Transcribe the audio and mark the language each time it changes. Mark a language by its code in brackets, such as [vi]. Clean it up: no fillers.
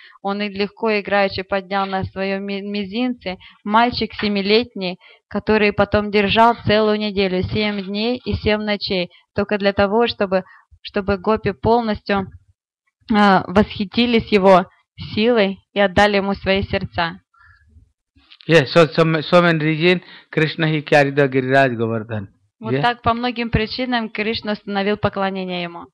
[ru] Он их легко играючи поднял на своем мизинце, мальчик 7-летний, который потом держал целую неделю, 7 дней и 7 ночей, только для того, чтобы гопи полностью восхитились его силой и отдали ему свои сердца. [en] Yes, so many reason Krishna he carried the Giriraj Govardhan. [ru] Вот так по многим причинам Кришна установил поклонение ему.